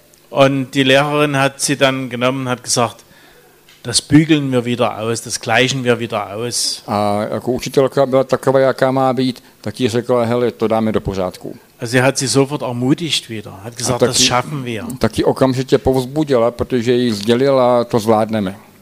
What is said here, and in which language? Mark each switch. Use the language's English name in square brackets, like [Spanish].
[German] Und die Lehrerin hat sie dann genommen, hat gesagt: "Das bügeln wir wieder aus, das gleichen wir wieder aus." [Czech] A jako učitelka byla taková, jaká má být, tak jí řekla: "Hele, to dáme do pořádku." [German] A sie hat sie sofort ermutigt wieder, hat gesagt: "Das schaffen wir." [Czech] Tak jí okamžitě povzbudila, protože jí sdělila: "To zvládneme."